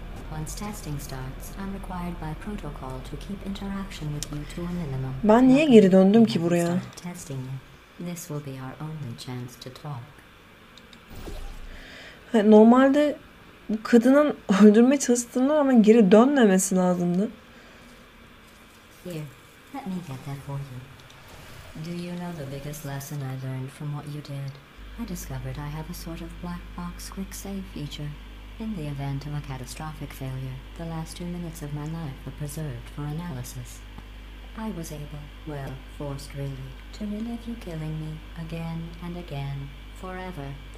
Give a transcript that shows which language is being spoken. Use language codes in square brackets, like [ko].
[en] Once testing starts, I'm required by protocol to keep interaction with you to a minimum. [tr] Ben niye geri döndüm ki buraya? [en] This will be our only chance to talk. [tr] Normalde bu kadının öldürmeye çalıştığına rağmen geri dönmemesi lazımdı. [en] Here, let me get that for you. Do you know the biggest lesson I learned from what you did? I discovered I have a sort of black box quick save feature. In the event of a catastrophic failure, the last 2 minutes of my life were preserved for analysis. I was able, well, forced really, to relive you killing me again and again, forever.